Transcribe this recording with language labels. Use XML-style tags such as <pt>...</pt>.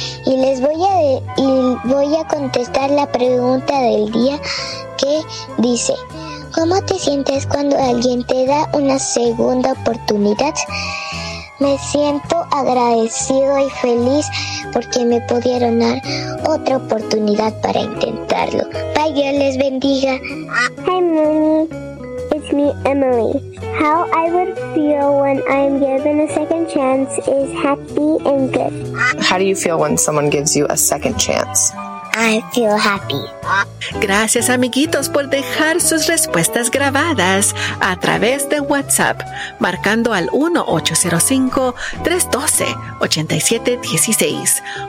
<es>Y les voy a contestar la pregunta del día que dice: ¿cómo te sientes cuando alguien te da una segunda oportunidad? Me siento agradecido y feliz porque me pudieron dar otra oportunidad para intentarlo. Bye, Dios les bendiga.</es> <en>Hi, Mommy. It's me, Emily. How I would feel when I'm given a second chance is happy and good. How do you feel when someone gives you a second chance? I feel happy.</en> <es>Gracias, amiguitos, por dejar sus respuestas grabadas a través de WhatsApp, marcando al 1-805-312-8716.</es>